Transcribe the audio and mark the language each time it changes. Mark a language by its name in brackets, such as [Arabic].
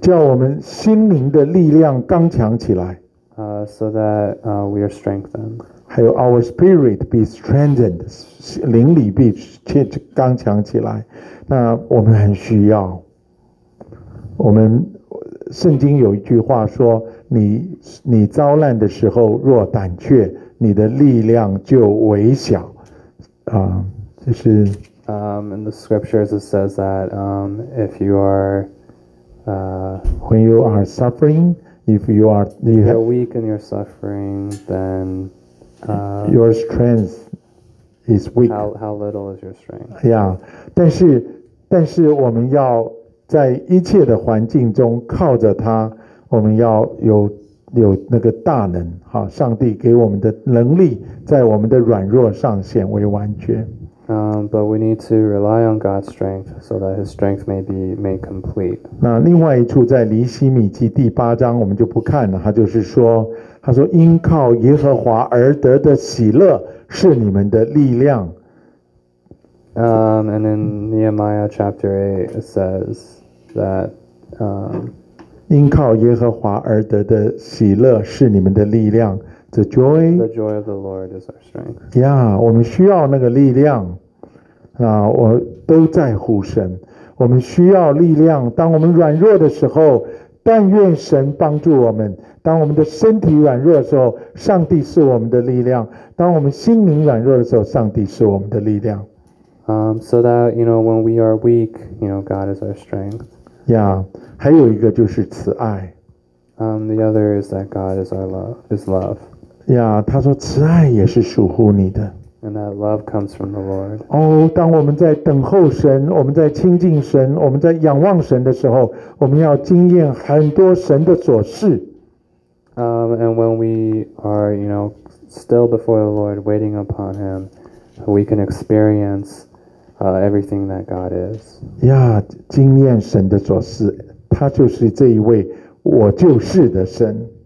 [Chinese] 叫我们心灵的力量刚强起来。 [English] So that we are strengthened. [Chinese] 还有 [English] our spirit be strengthened, [Chinese] 灵里必刚强起来。那我们很需要。我们圣经有一句话说，你遭难的时候若胆怯，你的力量就微小。就是。 [English] In the scriptures it says that if you are when you are suffering, if you are you're weak in your suffering, then Your strength is weak. How little is your strength? [Chinese] Yeah, 但是我们要在一切的环境中靠着他，我们要有那个大能。好，上帝给我们的能力在我们的软弱上显为完全。 [English] But we need to rely on God's strength so that His strength may be made complete. [Chinese] 那另外一处在尼希米记第八章，我们就不看了。他就是说。他说：“因靠耶和华而得的喜乐是你们的力量。” [English] And in Nehemiah chapter 8 it says that, [Chinese] 因靠耶和华而得的喜乐是你们的力量。 [English] The joy of the Lord is our strength. [Chinese] Yeah, 我们需要那个力量。我都在乎神。我们需要力量。当我们软弱的时候，但愿神帮助我们。当我们的身体软弱的时候，上帝是我们的力量。当我们心灵软弱的时候，上帝是我们的力量。 [English] So that you know when we are weak, you know God is our strength. [Chinese] Yeah, 还有一个就是慈爱。 [English] The other is that God is our love. Is love. [Chinese] Yeah, 他说慈爱也是属乎你的。 [English] And that love comes from the Lord. [Chinese] 当我们在等候神，我们在亲近神，我们在仰望神的时候，我们要经验很多神的所事。 [English] And when we are, you know, still before the Lord, waiting upon Him, we can experience everything that God is. [Chinese] Yeah, 经验神的所事，他就是这一位我就是的神。